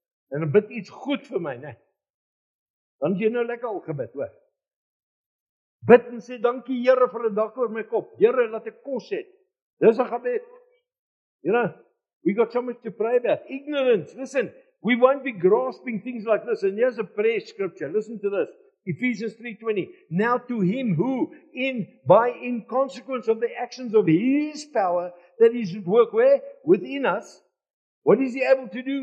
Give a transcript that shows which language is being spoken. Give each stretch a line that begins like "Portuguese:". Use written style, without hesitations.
English: And I bid
Afrikaans: iets goed
English: for my nah.
Afrikaans: Dan jy nou lekker al gebid, hoor. Bid en sê, dankie Here vir 'n dak oor my kop. Here, laat ek kos het. Dis 'n gebed.
English: You know, we got so much to pray about. Ignorance. Listen, we won't be grasping things like this. And here's a prayer scripture. Listen to this. Ephesians 3:20. Now to him who, in consequence of the actions of his power that is at work where? Within us. What is he able to do?